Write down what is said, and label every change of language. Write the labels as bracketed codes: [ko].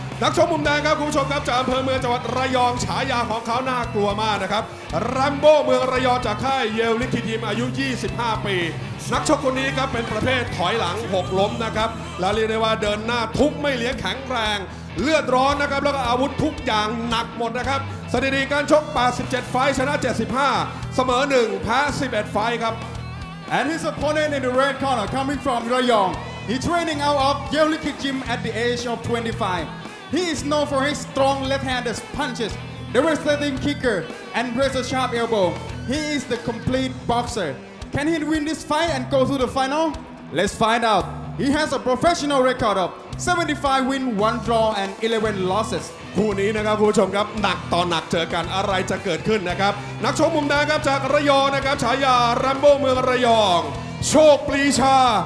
[th] นักชกมุมแดงครับคุณผู้ชมครับจากอำเภอเมืองจังหวัดระยองฉายาของเขาน่ากลัวมากนะครับแรมโบ้เมืองระยองจากค่ายเยลลิคิดยิมอายุ25ปีนักชกคนนี้ครับเป็นประเภทถอยหลังหกล้มนะครับแล้วเรียกได้ว่าเดินหน้าทุบไม่เลี้ยงแข็งแรงเลือดร้อนนะครับแล้วก็อาวุธทุกอย่างหนักหมดนะครับสถิติการชก87ไฟชนะ75เสมอ1แพ้11ไฟครับ [en] And his opponent in the red corner coming from Rayong he training out of Yeolik gym at the age of 25 he is known for his strong left-handed punches devastating kicker and razor sharp elbow he is the complete boxer can he win this fight and go to the final let's find out he has a professional record of 75 win 1 draw and 11 losses [th] คู่นี้นะครับคุณผู้ชมครับหนักต่อหนักเจอกันอะไรจะเกิดขึ้นนะครับ นักชกมุมแดงครับจากระยองนะครับฉายาแรมโบ้เมืองระยองโชคปรีชา